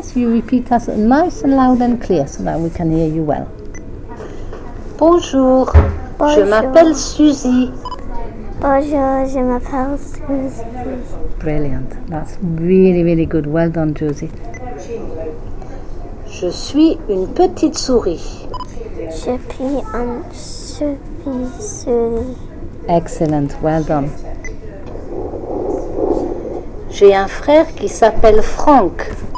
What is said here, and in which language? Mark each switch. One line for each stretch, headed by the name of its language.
English: so you repeat us nice and loud and clear so that we can hear you well.
French: Bonjour, bonjour. Je m'appelle Suzy. Bonjour, je m'appelle Suzy.
English: Brilliant, that's really, really good. Well done, Josie.
French: Je suis une petite souris. Je suis une petite souris.
English: Excellent, well done.
French: J'ai un frère qui s'appelle Franck.